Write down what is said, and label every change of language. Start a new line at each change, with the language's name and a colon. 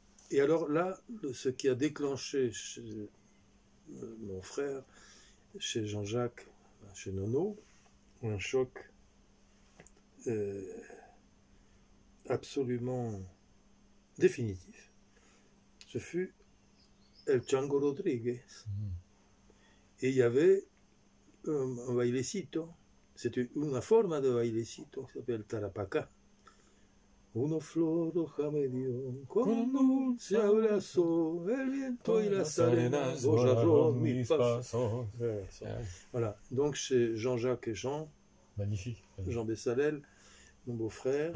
French: Et alors là, ce qui a déclenché chez mon frère, chez Jean-Jacques, chez Nono, un choc absolument définitif, ce fut El Chango Rodríguez. Et il y avait un bailecito, c'était une forme de bailecito qui s'appelle Tarapacá.
Spanish: Una flor roja me dio con un dulce abrazo, el viento y las arenas borraron mi paso.
French: Voilà, donc chez Jean-Jacques et Magnifique, Jean magnifique. Bessalel, mon beau-frère,